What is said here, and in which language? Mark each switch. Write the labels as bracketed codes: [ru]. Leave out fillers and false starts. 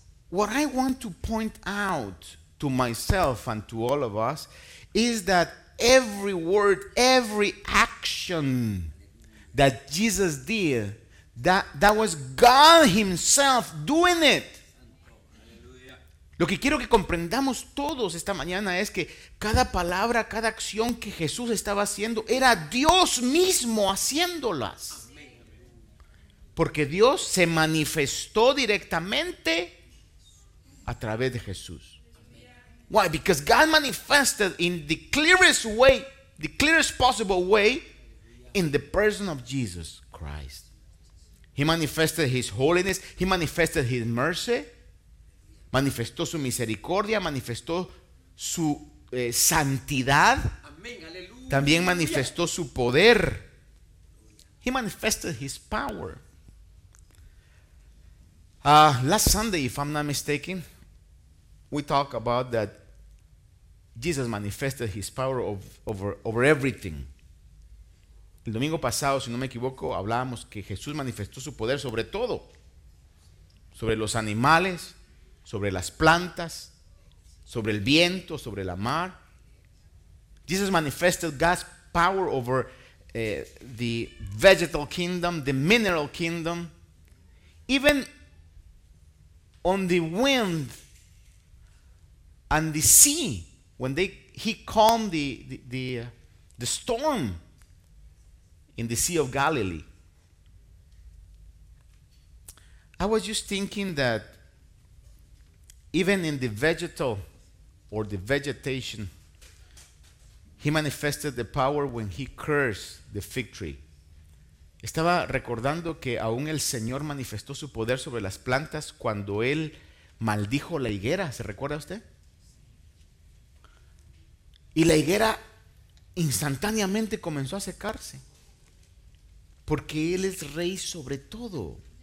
[en] What I want to point out to myself and to all of us is that every word, every action that Jesus did, that was God himself doing it. [es] Lo que quiero que comprendamos todos esta mañana es que cada palabra, cada acción que Jesús estaba haciendo era Dios mismo haciéndolas. Porque Dios se manifestó directamente a través de Jesús. [en] Why? Because God manifested in the clearest way, the clearest possible way, in the person of Jesus Christ. He manifested his holiness, he manifested his mercy, [es] manifestó su misericordia, manifestó su santidad. Amén. Aleluya. También manifestó su poder. [en] He manifested his power. Last Sunday, if I'm not mistaken, we talked about that Jesus manifested his power over everything. [es] El domingo pasado, si no me equivoco, hablábamos que Jesús manifestó su poder sobre todo, sobre los animales, sobre las plantas, sobre el viento, sobre la mar. [en] Jesus manifested God's power over the vegetal kingdom, the mineral kingdom, even on the wind and the sea. When he calmed the storm in the Sea of Galilee, I was just thinking that even in the vegetal or the vegetation, he manifested the power when he cursed the fig tree. [es] Estaba recordando que aún el Señor manifestó su poder sobre las plantas cuando él maldijo la higuera, ¿se recuerda usted? Y la higuera instantáneamente comenzó a secarse, porque él es rey sobre todo.